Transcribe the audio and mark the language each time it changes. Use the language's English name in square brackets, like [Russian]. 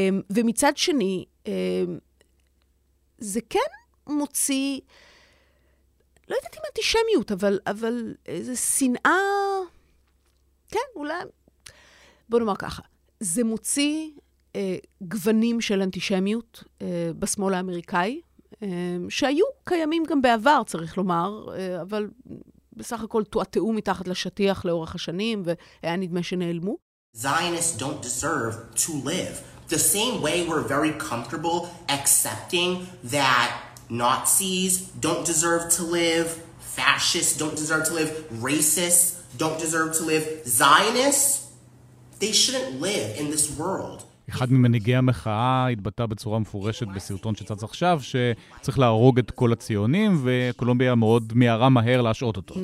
[Hebrew] ומצד שני, זה כן מוציא, לא יודעת אם אנטישמיות, אבל זה שנאה, כן, אולי, בוא נאמר ככה, זה מוציא גוונים של אנטישמיות בשמאל האמריקאי, שהיו קיימים גם בעבר, צריך לומר, אבל בסך הכל תועתעו מתחת לשטיח לאורך השנים, והיה נדמה שנעלמו. [English] Zionists don't deserve to live. The same way we're very comfortable accepting that Nazis don't deserve to live, fascists don't deserve to live, racists don't deserve to live. Zionists, they shouldn't live in this world. [Hebrew] אחד ממנהיגי המחאה התבטא בצורה מפורשת בסרטון שצץ עכשיו, שצריך להרוג את כל הציונים, וקולומביה מאוד מיהרה מהר להשעות אותו.